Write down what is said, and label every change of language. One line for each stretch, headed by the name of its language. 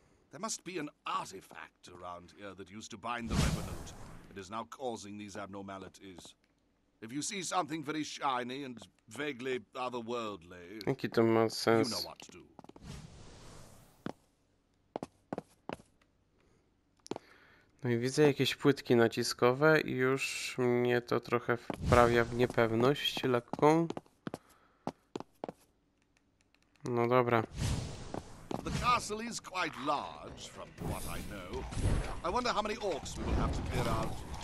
English: There must be an artifact around here that used to bind the revenant and is now causing these abnormalities. If you see something very shiny and vaguely otherworldly, you know what to do.
Polish: No i widzę jakieś płytki naciskowe i już mnie to trochę wprawia w niepewność lekką. No dobra.
English: The castle is quite large from what I know. I wonder how many orcs we will have to clear out.